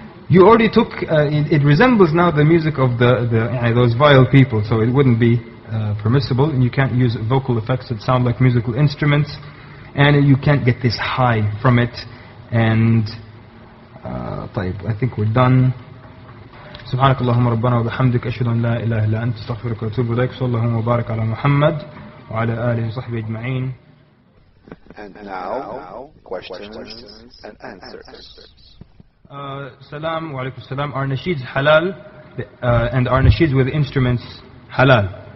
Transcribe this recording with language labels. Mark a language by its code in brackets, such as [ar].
[en] You already took, it resembles now the music of the those vile people, so it wouldn't be permissible, and you can't use vocal effects that sound like musical instruments. And you can't get this high from it, And طيب, I think we're done. [ar] سبحانك اللهم ربنا وبحمدك أشهد أن لا إله إلا أنت استغفرك واتوب إليك. صلى الله وبارك على محمد وعلى آله وصحبه أجمعين. [en] And now questions and answers. [ar] سلام وعليكم السلام. [en] Our nasheeds halal, and our nasheeds with instruments halal.